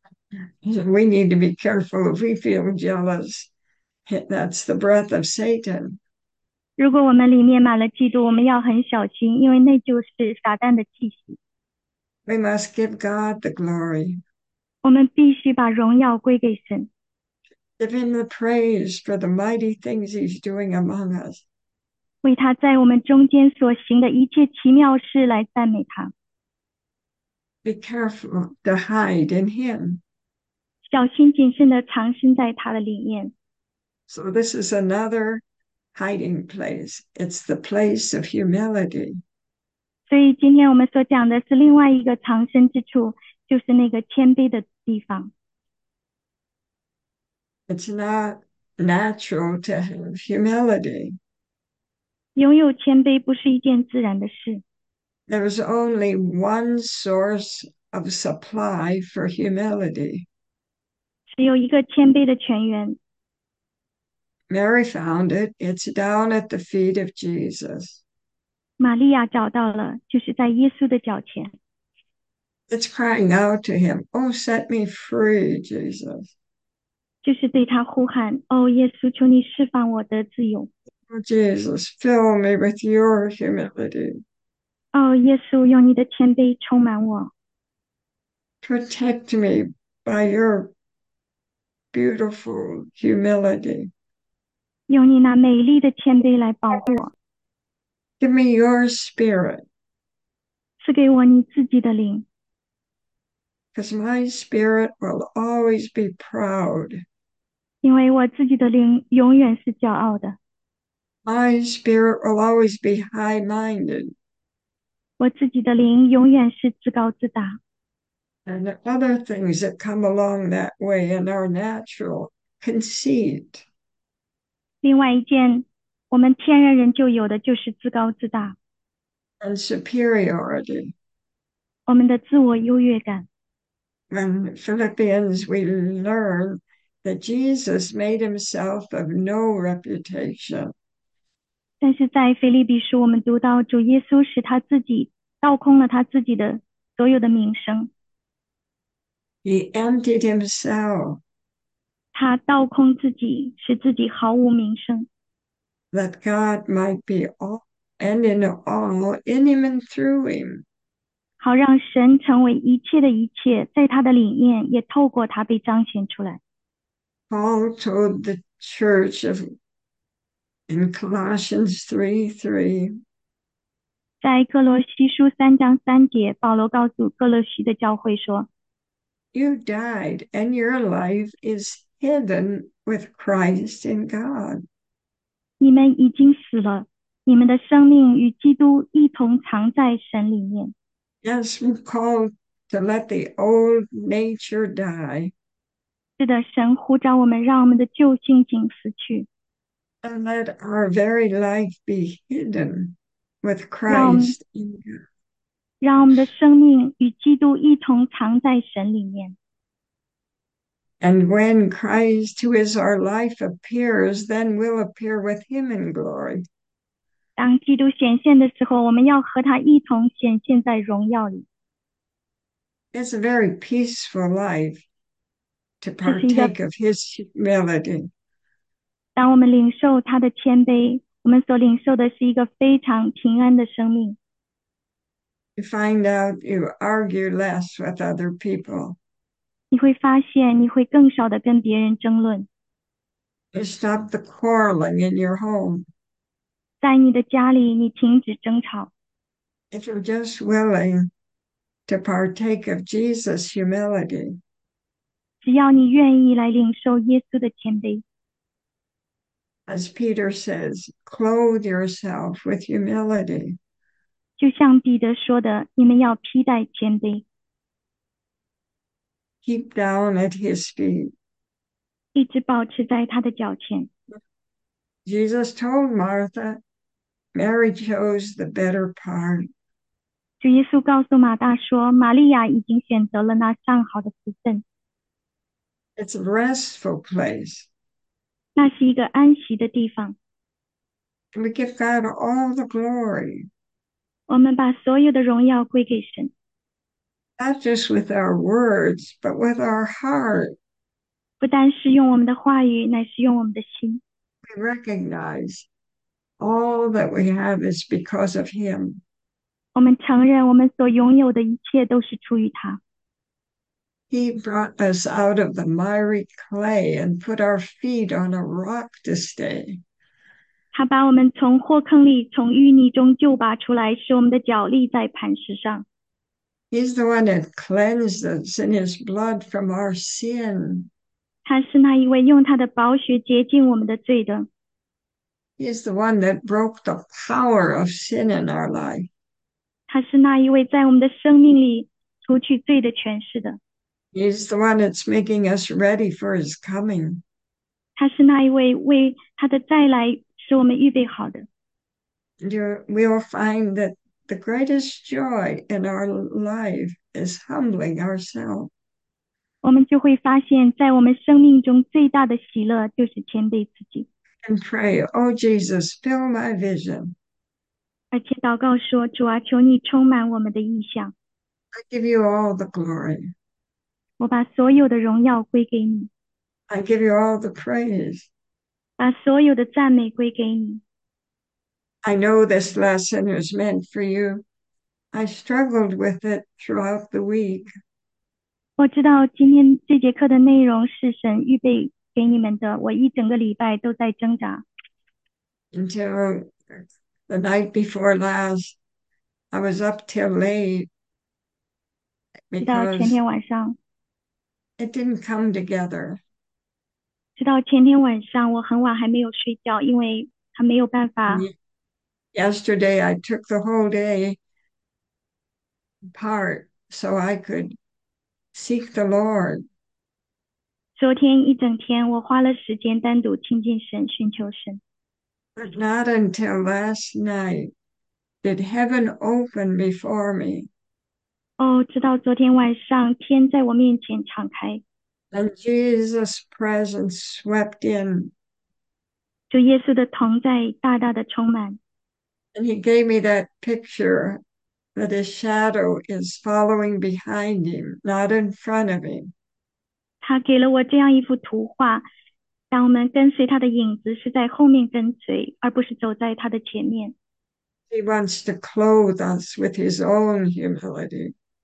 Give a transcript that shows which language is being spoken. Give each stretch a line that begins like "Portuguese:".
English: We need to be careful if we feel jealous. That's the breath of Satan.
Chinese: 如果我们里面满了嫉妒，我们要很小心，因为那就是撒旦的气息。
English: We must give God the glory.
Chinese: 我们必须把荣耀归给神。
English: Give him the praise for the mighty things he's doing among us.
Chinese: 为他在我们中间所行的一切奇妙事来赞美他，
English: Be careful to hide in him.
Chinese: 小心谨慎地藏身在他的里面。
English: So this is another hiding place. It's the place of humility.
Chinese: 所以今天我们所讲的是另外一个藏身之处，就是那个谦卑的地方。
English: It's not natural to have humility.
Chinese: 拥有谦卑不是一件自然的事。
English: There is only one source of supply for humility.
Chinese: 只有一个谦卑的泉源。
English: Mary found it. It's down at the feet of Jesus.
Chinese: 玛利亚找到了，就是在耶稣的脚前。
English: It's crying out to him, Oh, set me free, Jesus.
Chinese: 就是对他呼喊：“哦，耶稣，求你释放我的自由。”
English: Oh, Jesus, fill me with your humility.
Chinese: 哦，耶稣，用你的谦卑充满我。
English: Protect me by your beautiful humility.
Chinese: 用你那美丽的谦卑来保护我。
English: Give me your spirit.
Chinese: 赐给我你自己的灵。
English: Because my spirit will always be proud.
Chinese: 因为我自己的灵永远是骄傲的。
English: My spirit will always be high-minded.
Chinese: 我自己的灵永远是自高自大。
English: And other things that come along that way in our natural conceit.
Chinese: 另外一件我们天然人就有的就是自高自大，
English: And superiority.
Chinese: 我们的自我优越感。
English: In Philippians, we learn that Jesus made himself of no reputation.
Chinese: 但是在腓立比书，我们读到主耶稣使他自己。倒空了他自己的所有的名声，
English: He emptied himself.
Chinese: 他倒空自己，使自己毫无名声。
English: That God might be all and in all, in him and through him.
Chinese: 好让神成为一切的一切，在他的里面，也透过他被彰显出来。
English: Paul told the church of in Colossians 3:3.
Chinese: 在哥罗西书3章3节，保罗告诉哥罗西的教会说
English: You died, and your life is hidden with Christ in God.
Chinese: ：“你们已经死了，你们的生命与基督一同藏在神里面。
English: Yes, we're called to let the old nature die
Chinese: ”是的，神呼召我们，让我们的旧性情死去。
English: and let our very life be hidden with
Chinese: 让
English: Christ in God.
Chinese: 我们的生命与基督一同藏在神里面。
English: And when Christ, who is our life, appears, then we'll appear with him in glory.
Chinese: 当基督显现的时候，我们要和他一同显现在荣耀里。
English: It's a very peaceful life to
Chinese: 这是一个，
English: partake of his humility.
Chinese: 当我们领受他的谦卑。我们所领受的是一个非常平安的生命。
English: You find out you argue less with other people.
Chinese: 你会发现，你会更少的跟别人争论。
English: You stop the quarreling in your home.
Chinese: 在你的家里，你停止争吵。
English: If you're just willing to partake of Jesus' humility,
Chinese: 只要你愿意来领受耶稣的谦卑。
English: As Peter says, clothe yourself with humility.
Chinese: 就像彼得说的，你们要披戴谦卑。
English: Keep down at his feet.
Chinese: 一直保持在他的脚前。
English: Jesus told Martha, Mary chose the better part.
Chinese: 主耶稣告诉马大说，玛利亚已经选择了那上好的福分。
English: It's a restful place.
Chinese: 那是一个安息的地方。
English: We give God all the glory.
Chinese: 我们把所有的荣耀归给神。
English: Not just with our words, but with our heart.
Chinese: 不单是用我们的话语，乃是用我们的心。
English: We recognize all that we have is because of Him.
Chinese: 我们承认，我们所拥有的一切都是出于他。
English: He brought us out of the miry clay and put our feet on a rock to stay.
Chinese: 他把我们从火坑里、从淤泥中救拔出来，使我们的脚立在磐石上。
English: He's the one that cleanses in His blood from our sin.
Chinese: 他是那一位用他的宝血洁净我们的罪的。
English: He's the one that broke the power of sin in our life.
Chinese: 他是那一位在我们的生命里除去罪的权势的。
English: He's the one that's making us ready for His coming.
Chinese: 他是那一位为他的再来使我们预备好的。
English: We'll find that the greatest joy in our life is humbling ourselves.
Chinese: 我们就会发现，在我们生命中最大的喜乐就是谦卑自己，
English: And pray, Oh Jesus, fill my vision.
Chinese: 而且祷告说：“主啊，求你充满我们的意象，
English: I give you all the glory.
Chinese: 我把所有的荣耀归给你，
English: I give you all the praise.
Chinese: 把所有的赞美归给你。
English: I know this lesson was meant for you. I struggled with it throughout the week.
Chinese: 我知道今天这节课的内容是神预备给你们的，我一整个礼拜都在挣扎。
English: Until the night before last, I was up till late
Chinese: 直到前
English: because
Chinese: 天晚上，
English: it didn't come together.
Chinese: 直到前天晚上，我很晚还没有睡觉，因为他没有办法。
English: Yesterday, I took the whole day apart so I could seek the Lord.
Chinese: 昨天一整天，我花了时间单独亲近神，寻求神。
English: But not until last night did heaven open before me.
Chinese: 哦，直到昨天晚上，天在我面前敞开。
English: And Jesus' presence swept in.
Chinese: 主耶稣的同在大大的充满。
English: And he gave me that picture that his shadow is following behind him, not in front of him.
Chinese: 他给了我这样一幅图画，让我们跟随他的影子是在后面跟随，而不是走在他的前面。
English: He wants to clothe us with his own humility.